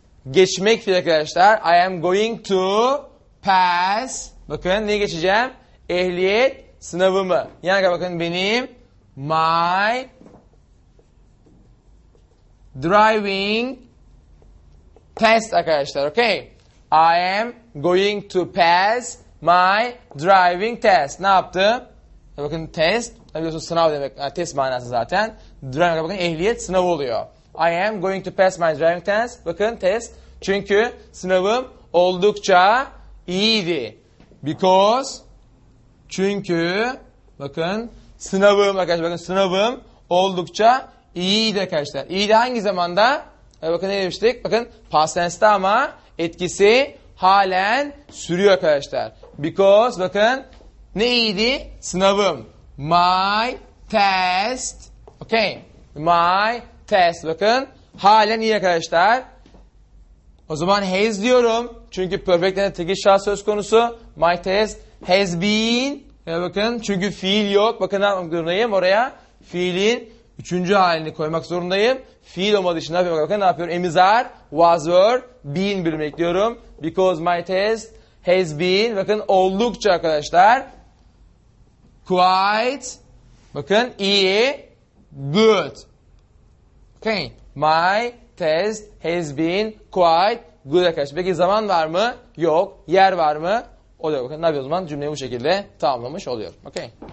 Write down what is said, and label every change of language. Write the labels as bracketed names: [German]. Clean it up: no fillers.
[Turkish] Geçmek fiil arkadaşlar. [English] I am going to pass. [Turkish] Bakın neyi geçeceğim? Ehliyet sınavımı. Yani bakın benim [English] my driving test [Turkish] arkadaşlar. Okay. [English] I am going to pass my driving test. [Turkish] Ne yaptı? Bakın test. Biliyorsunuz sınav demek. Test manası zaten. Driving bakın ehliyet sınavı oluyor. [English] I am going to pass my driving test. [Turkish] Bakın test. Çünkü sınavım oldukça iyiydi. Because çünkü bakın sınavım arkadaşlar bakın sınavım oldukça iyiydi arkadaşlar. İyiydi hangi zamanda? Bakın ne demiştik? Bakın past tense'de ama etkisi halen sürüyor arkadaşlar. Because bakın ne iyiydi? Sınavım. My test. Okay. My test. Bakın. Halen iyi arkadaşlar. O zaman has diyorum. Çünkü perfect'in tekil şahıs söz konusu. [English] My test has been. [Turkish] Ya bakın. Çünkü fiil yok. Bakın ne yapayım? Oraya fiilin üçüncü halini koymak zorundayım. Fiil olmadığı için ne yapıyorum? Bakın ne yapıyorum? Am is are, was, were, been birimi ekliyorum. [English] Because my test has been. [Turkish] Bakın oldukça arkadaşlar. [English] Quite. [Turkish] Bakın iyi. [English] Good. Okay. My test has been quite good arkadaşlar. [Turkish] Peki zaman var mı? Yok. Yer var mı? Oluyor. Bakın ne yapıyor o zaman? Cümleyi bu şekilde tamamlamış oluyorum. Okay.